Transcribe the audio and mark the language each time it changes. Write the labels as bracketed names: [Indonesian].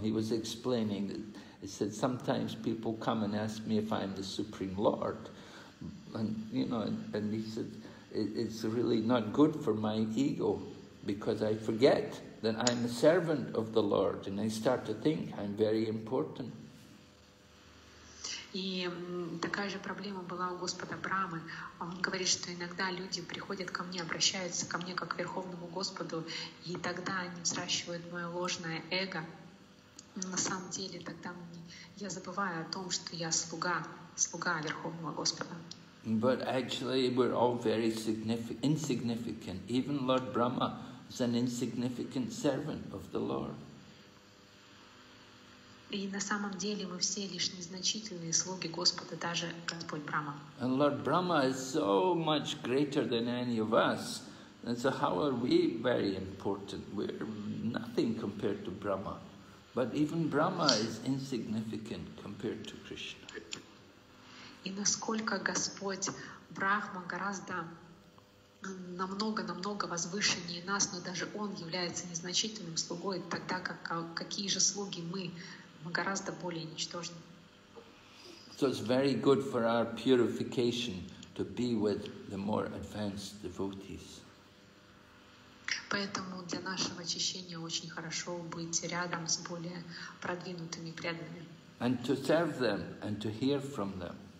[English] He was explaining that, he said, sometimes people come and ask me if I'm the Supreme Lord. And he said, it's really not good for my ego, because I forget that I'm a servant of the Lord, and I start to think I'm very important. [Russian] И такая же проблема была у Господа Брамы. Он говорит, что иногда люди приходят ко мне, обращаются ко мне как к Верховному Господу, и тогда они взращивают мое ложное эго. Но на самом деле тогда я забываю о том, что я слуга Верховного Господа. [English] But actually we're all very insignificant. Even Lord Brahma is an insignificant servant of the Lord. [Russian] И на самом деле мы все лишь незначительные слуги Господа, даже Господь Брахма. [English] And Lord Brahma is so much greater than any of us. And so how are we very important? We're nothing compared to Brahma. But even Brahma is insignificant compared to Krishna. [Russian] И насколько Господь Брахма гораздо намного возвышеннее нас, но даже Он является незначительным слугой, тогда как какие же слуги мы? Мы гораздо более ничтожны. [English] So it's very good for our purification to be with the more advanced devotees. [Russian] Поэтому для нашего очищения очень хорошо быть рядом с более продвинутыми преданными. [English] And to serve them and to hear from them.